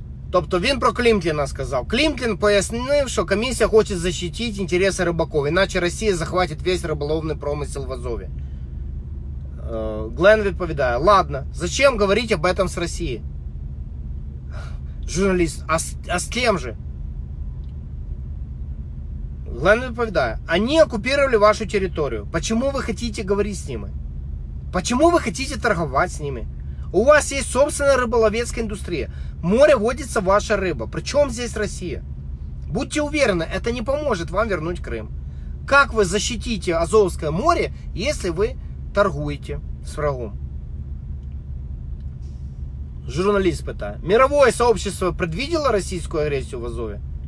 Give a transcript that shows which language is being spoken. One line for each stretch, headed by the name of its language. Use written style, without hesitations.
Ukrainian: Тобто він про Клімкіна сказав. Клімкін пояснив, що комісія хоче защитити інтереси рибаків, іначе Росія захватить весь риболовний промисел в Азові. Глен відповідає,
Russian: ладно, зачем говорить об этом с Россией?
Ukrainian: Журналіст, а з тим же? Глен відповідає,
Russian: они окупировали вашу територію. Почему вы хотите говорить с ними? Почему вы хотите торговать с ними?
Ukrainian: У вас є собственна риболовецька індустрія. Море водиться ваша риба.
Russian: Причому здесь Росія? Будьте уверены, это не поможет вам вернуть Крим. Как вы защитите Азовское море, если вы торгуете с врагом? Журналист пытает. Мировое сообщество предвидело российскую агрессию в Азове?